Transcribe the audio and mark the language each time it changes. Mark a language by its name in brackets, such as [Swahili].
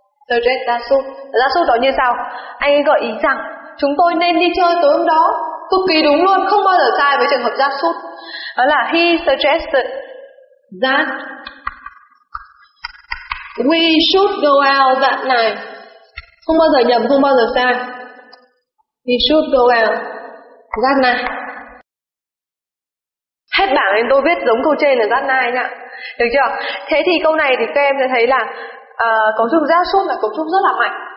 [Vietnamese] Suggest giáp sút, giáp sút đó như sau: anh ấy gợi ý rằng chúng tôi nên đi chơi tối hôm đó, cực kỳ đúng luôn, không bao giờ sai với trường hợp giáp sút. Đó là [English] he suggested that we should go out that night. [Vietnamese] Không bao giờ nhầm, không bao giờ sai. [English] He should go out. [Vietnamese] Giác nai. Hết bảng nên tôi viết giống câu trên là giác nai nhá. Được chưa? Thế thì câu này thì các em sẽ thấy là cấu trúc giác sút là cấu trúc rất là mạnh.